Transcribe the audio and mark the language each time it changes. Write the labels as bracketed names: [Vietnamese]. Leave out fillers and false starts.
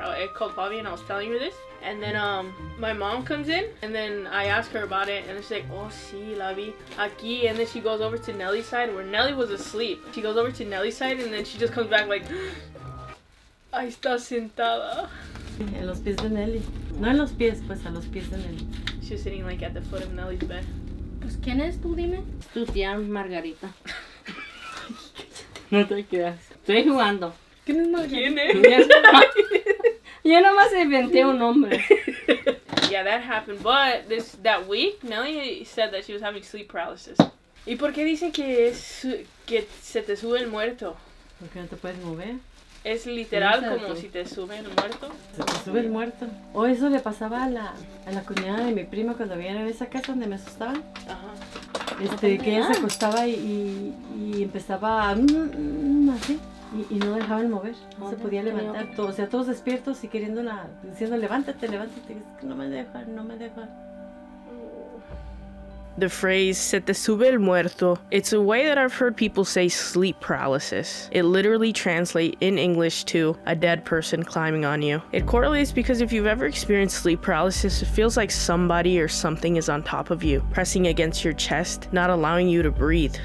[English] I called Fabi, and I was telling her this. And then my mom comes in, and then I ask her about it, and she's like, oh, [Spanish] sí, la vi, aquí. [English] And then she goes over to Nelly's side, where Nelly was asleep. She goes over to Nelly's side, and then she just comes back like, [Spanish] ahí está sentada. En los pies de Nelly. No en los pies, pues a los pies de Nelly. [English] She was sitting like at the foot of Nelly's bed. [Spanish] Pues, ¿quién es tú, dime? Tu tía Margarita. No te creas. Estoy jugando. ¿Quién es Margarita? ¿Quién es? ¿Quién es? Yo nomás inventé un nombre. [English] Yeah, that happened. But that week, Nelly said that she was having sleep paralysis. [Spanish] ¿Y por qué dicen que se te sube el muerto? Porque no te puedes mover. Es literal como si te sube el muerto. Se te sube el muerto. O eso le pasaba a la cuñada de mi prima cuando vivían en esa casa donde me asustaban. Ajá. Que ella se acostaba y empezaba a... así. Y no dejaban mover, no se podía levantar. Todo, o sea, todos despiertos y queriéndola, diciendo, levántate, levántate. No me dejan, no me dejan. [English] The phrase, [Spanish] se te sube el muerto, [English] it's a way that I've heard people say sleep paralysis. It literally translates in English to a dead person climbing on you. It correlates because if you've ever experienced sleep paralysis, it feels like somebody or something is on top of you, pressing against your chest, not allowing you to breathe.